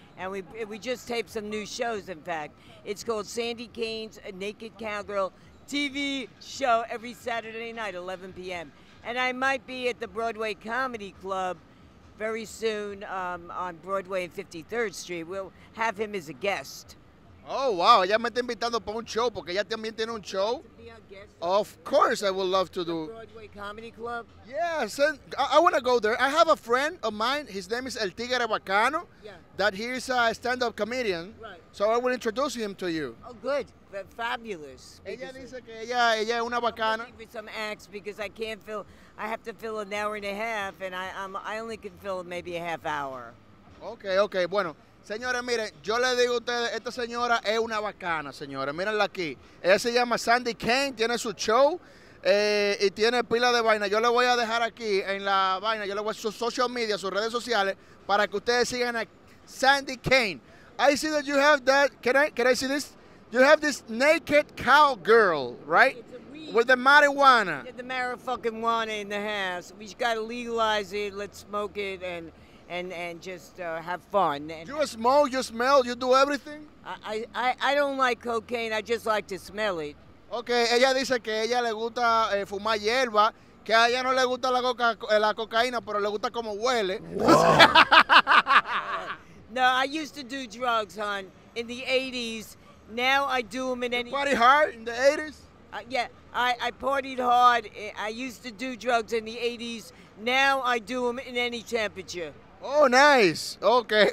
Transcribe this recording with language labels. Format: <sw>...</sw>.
<en>And we just taped some new shows, in fact. It's called Sandy Cain's Naked Cowgirl TV show every Saturday night, 11 p.m. And I might be at the Broadway Comedy Club very soon on Broadway and 53rd Street. We'll have him as a guest. Oh, wow.</en> <es>Ella me está invitando para un show porque ella también tiene un show.</es> <en>Of course, I would love to do. Broadway Comedy Club. Yes, and I want to go there. I have a friend of mine. His name is El Tigre Bacano. Yeah. That he's a stand-up comedian. Right. So I will introduce him to you. Oh, good. Fabulous.</en> <es>Ella dice que ella es una bacana.</es> <en>I'm with some acts because I can't fill. I have to fill an hour and a half, and I only can fill maybe a half hour.</en> <es>Okay. Bueno. Señores, miren, yo les digo a ustedes, esta señora es una bacana, señores, mírenla aquí. Ella se llama Sandy Kane, tiene su show y tiene pila de vaina. Yo le voy a dejar aquí en la vaina, yo le voy a sus</es> <en>social media,</en> <es>sus redes sociales, para que ustedes sigan a Sandy Kane.</es> <en>I see that you have that, can I see this? You have this naked cowgirl, right? With the marijuana. Yeah, the marijuana in the house. We just got to legalize it, let's smoke it and just have fun. And you smoke, you smell, you do everything? I don't like cocaine, I just like to smell it.</en> <es>Okay, ella dice que ella le gusta fumar hierba, que a ella no le gusta la cocaína, pero le gusta como huele.</es> <en>No, I used to do drugs, hon, in the 80s. Now I do them in you any... You party hard in the 80s? I partied hard. I used to do drugs in the 80s. Now I do them in any temperature. Oh, nice. Okay.</en>